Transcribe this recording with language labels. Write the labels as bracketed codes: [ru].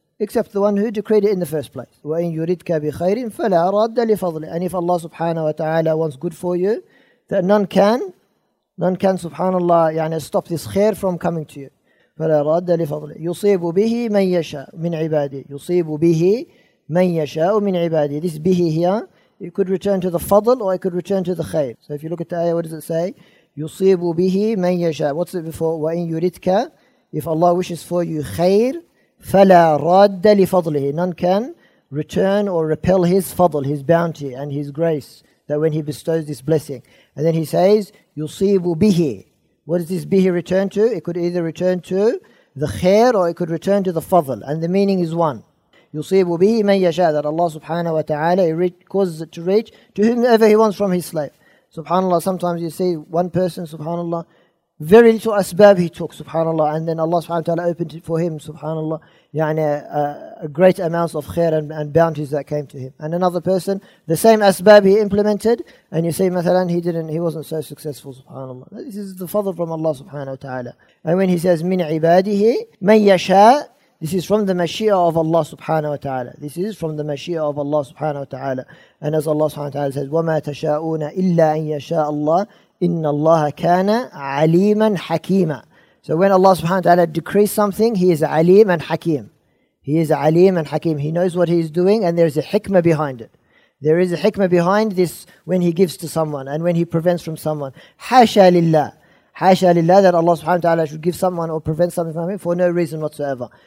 [en] Except the one who decreed it in the first place. [ar] وَإِن يُرِدْكَ بِخَيْرٍ فَلَا رَدَّ لِفَضْلِهِ [en] And if Allah subhanahu wa ta'ala wants good for you, that none can subhanallah stop this khair from coming to you. [ar] فَلَا رَدَّ لِفَضْلِهِ يُصِيبُ بِهِ مَنْ يَشَاءُ مِنْ عِبَادِهِ [en] يُصِيبُ بِهِ مَنْ يَشَاءُ مِنْ عِبَادِهِ This bihi here, it could return to the fadl or it could return to the khair. So if you look at the ayah, what does it say? [ar] يُصِيبُ بِهِ مَنْ يَشَاءُ [en] What's it before? [ar] وَإِن يُرِدْكَ [en] If Allah wishes for you khair, [ar] فَلَا رَدَّ لِفَضْلِهِ [en] None can return or repel his fadl, his bounty and his grace that when he bestows this blessing. And then he says, yusibu bihi. What does this bihi return to? It could either return to the khair or it could return to the fadl. And the meaning is one. Yusibu bihi man yasha, that Allah subhanahu wa ta'ala causes it to reach to whomever he wants from his slave. Subhanallah, sometimes you see one person, subhanallah, very little asbab he took, subhanallah, and then Allah subhanahu wa ta'ala opened it for him, subhanallah, yani a great amounts of khair and bounties that came to him. And another person, the same asbab he implemented, and you see, mathalan, he wasn't so successful, subhanallah. This is the fadl from Allah subhanahu wa ta'ala. And when he says, min ibadihi, man yasha, this is from the mashia of Allah subhanahu wa ta'ala. This is from the mashia of Allah subhanahu wa ta'ala. And as Allah subhanahu wa ta'ala says, [ar] وَمَا تَشَاءُونَ إِلَّا أَن يَشَاءَ اللَّهِ إِنَّ اللَّهَ كَانَ عَلِيمًا حَكِيمًا. [en] So when Allah subhanahu wa ta'ala decrees something, He is alim and hakim. He is alim and hakim. He knows what He is doing, and there is a hikmah behind it. There is a hikmah behind this when He gives to someone and when He prevents from someone. [ar] حَاشَى لِلَّهِ. [en] Hasha lillah, that Allah subhanahu wa ta'ala should give someone or prevent something from him for no reason whatsoever.